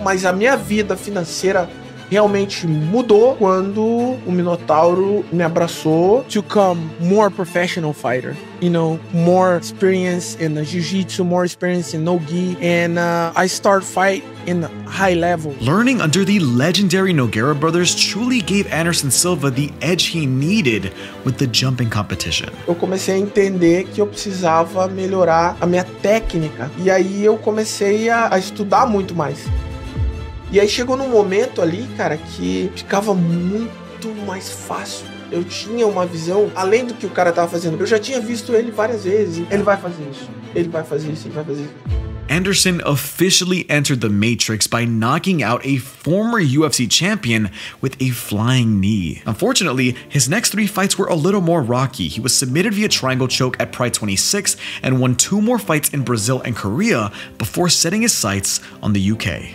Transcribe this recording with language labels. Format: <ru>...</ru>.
<pt>Mas a minha vida financeira realmente mudou quando o Minotauro me abraçou</pt> <en>to become more professional fighter. You know, more experience in the jiu-jitsu, more experience in no-gi, and I start fight in high level. Learning under the legendary Nogueira brothers truly gave Anderson Silva the edge he needed with the jumping competition.</en> <pt>Eu comecei a entender que eu precisava melhorar a minha técnica, e aí eu comecei a estudar muito mais. E aí chegou num momento ali, cara, que ficava muito mais fácil. Eu tinha uma visão, além do que o cara tava fazendo, eu já tinha visto ele várias vezes. Ele vai fazer isso, ele vai fazer isso, ele vai fazer isso.</pt> <en>Anderson officially entered the Matrix by knocking out a former UFC champion with a flying knee. Unfortunately, his next three fights were a little more rocky. He was submitted via triangle choke at Pride 26 and won two more fights in Brazil and Korea before setting his sights on the UK.</en>